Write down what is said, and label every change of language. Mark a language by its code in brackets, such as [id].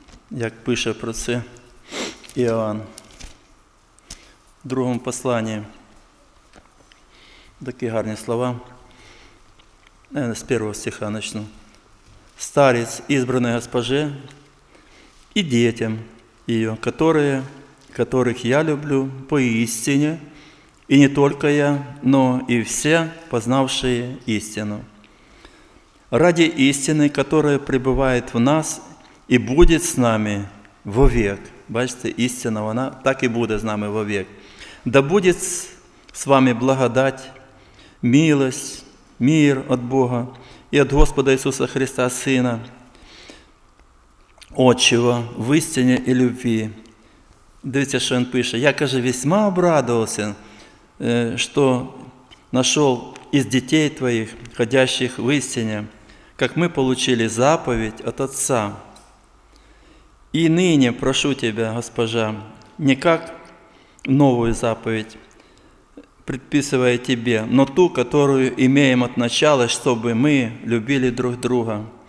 [uk] Як пише про це Іоанн, в другому посланні, такі гарні слова, з першого стиха почну. [ru] «Старець избранной госпоже и детям ее, которые, которых я люблю поистине, и не только я, но и все, познавшие истину. Ради истины, которая пребывает в нас и будет с нами вовек». [uk] Бачите, істина, вона так і буде з нами вовек. «Да буде з вами благодать, милость, мир от Бога і от Господа Ісуса Христа, Сина, Отчего, в істині і любві». Дивіться, що він пише. «Я, каже, [ru] весьма обрадовався что нашел из детей твоих, ходящих в истине, как мы получили заповедь от Отца. И ныне прошу тебя, госпожа, не как новую заповедь, предписывая тебе, но ту, которую имеем от начала, чтобы мы любили друг друга.